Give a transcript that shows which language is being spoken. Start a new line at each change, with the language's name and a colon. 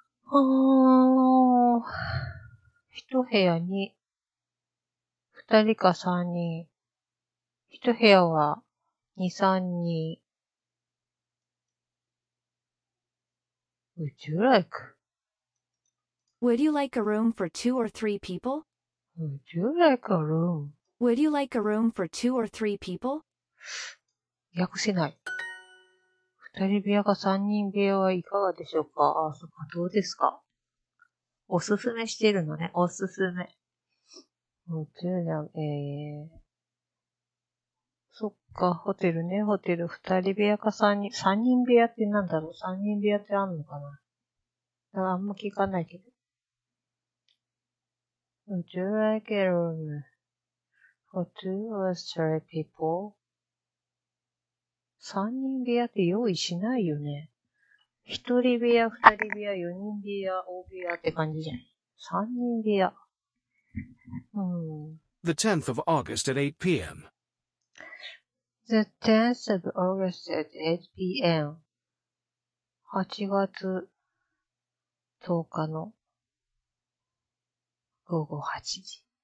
Japanese: 一部屋に、二人か三人、一部屋は二三人、
English: Would you like? Would you like a room for two or three people? Would you like a room? Would you like a room for two or three people?
Japanese: 訳せない。二人部屋か三人部屋はいかがでしょうか？あ、そっか、どうですか？おすすめしてるのね、おすすめ。
English: Would you like,
Japanese: そっか、ホテルね、ホテル。二人部屋か三人、三人部屋ってなんだろう？三人部屋ってあんのかな？あんま聞かないけど。
English: Would you like a room for two or three people?
Japanese: 三人部屋って用意しないよね。一人部屋、二人部屋、四人部屋、大部屋って感じじゃん。三人部屋。
English: The 10th of August at 8 p.m. The 10th of August at 8 p.m.
Japanese: 8月10日の午後8時。